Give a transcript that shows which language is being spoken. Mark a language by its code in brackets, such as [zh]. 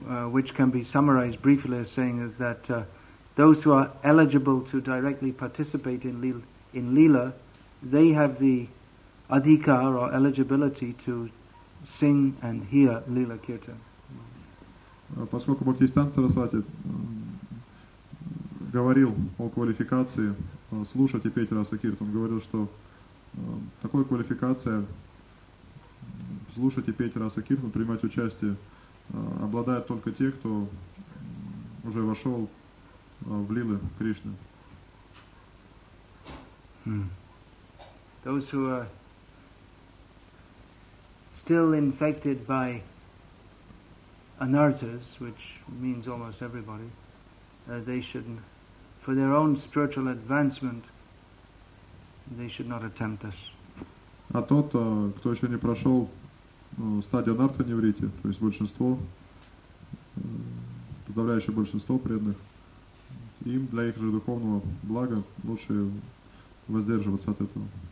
[en] Which can be summarized briefly as saying is that those who are eligible to directly participate in Lila, they have the adhikar or eligibility to sing and hear Lila Kirtan. [ru] Поскольку Бхактисиддханта Сарасвати говорил о квалификации слушать и петь Раса Киртан, он говорил, что такая квалификация слушать и петь Раса Киртан, принимать участие, обладают только те, кто уже вошел в лилы Кришны. [en] Those who are still infected by anartas, which means almost everybody, they should, for their own spiritual advancement, they should not attempt this. [ru] А тот, кто еще не прошел стадию анарта неврити, то есть большинство, подавляющее большинство преданных, им для их же духовного блага лучше воздерживаться от этого.